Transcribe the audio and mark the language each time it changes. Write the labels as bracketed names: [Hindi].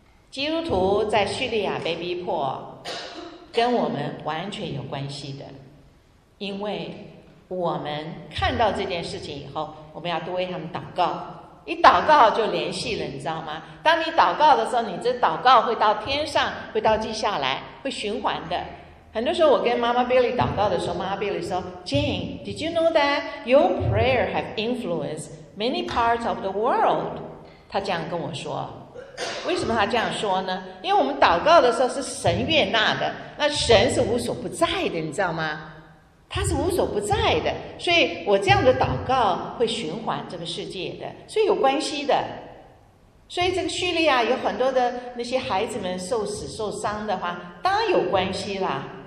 [Chinese] 基督徒在叙利亚被逼迫，跟我们完全有关系的，因为我们看到这件事情以后，我们要多为他们祷告，一祷告就联系了，你知道吗？当你祷告的时候，你这祷告会到天上，会到地下来，会循环的。很多时候我跟妈妈 Billy 祷告的时候，妈妈 Billy 说， Jane， [English] did you know that your prayer have influenced many parts of the world？ [Chinese] 她这样跟我说。为什么他这样说呢？因为我们祷告的时候是神悦纳的，那神是无所不在的，你知道吗？他是无所不在的，所以我这样的祷告会循环这个世界的，所以有关系的。所以这个叙利亚有很多的那些孩子们受死受伤的话，当然有关系啦。